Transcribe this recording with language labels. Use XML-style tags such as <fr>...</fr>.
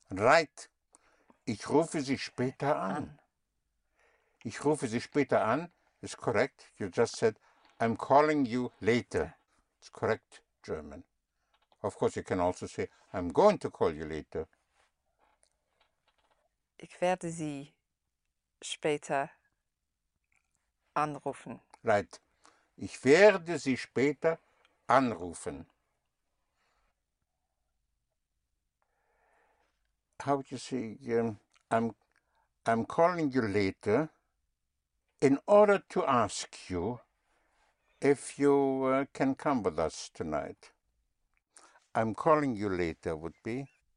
<en>Right.</en> <de>Ich rufe Sie später an. Ich rufe Sie später an.</de> <en>Is correct. You just said, I'm calling you later. It's correct German. Of course, you can also say, I'm going to call you later.</en> <de>Ich werde Sie später anrufen.</de> <en>Right.</en> <de>Ich werde Sie später anrufen.</de> <en>How would you say, I'm calling you later in order to ask you if you can come with us tonight. I'm calling you later would be?</en>